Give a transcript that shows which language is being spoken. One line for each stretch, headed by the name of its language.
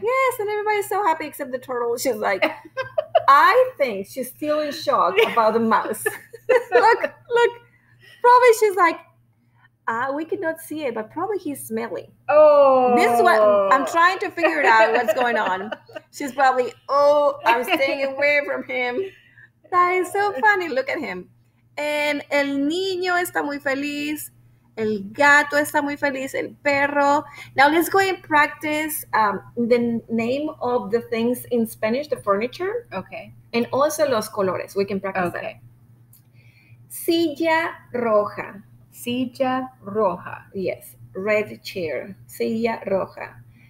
English: Yes, and everybody's so happy except the turtle. She's like, I think she's still in shock about the mouse. look. Probably she's like, we cannot see it, but probably he's smelly. Oh. This is what I'm trying to figure out what's going on. She's probably, I'm staying away from him. That is so funny. Look at him.
Spanish: And el niño está muy feliz. El gato está muy feliz. El perro.
English: Now let's go and practice the name of the things in Spanish, the furniture. Okay. And also
Spanish: los colores.
English: We can practice that. Okay.
Spanish: Silla roja. Silla roja.
English: Yes. Red chair.
Spanish: Silla roja.